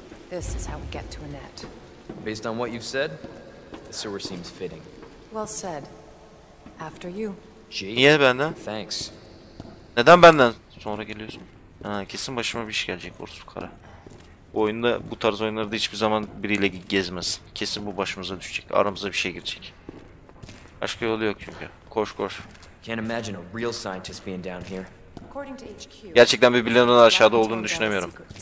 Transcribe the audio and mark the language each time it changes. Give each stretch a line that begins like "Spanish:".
English: This is how we get to Annette. Based on what you've said, the sewer seems fitting. Well said. After you.
Turkish: Niye benden?
English: Thanks.
Turkish: Neden benden sonra geliyorsun? Ha, kesin başıma bir iş gelecek, orası kara. Bu oyunda, bu tarz oyunlarda hiçbir zaman biriyle gezmez. Kesin bu başımıza düşecek, aramıza bir şey girecek. Başka yolu yok çünkü. Koş koş.
English: Can't imagine a real scientist being down here. According to HQ.
Turkish: Gerçekten bir bilinen aşağıda olduğunu düşünemiyorum.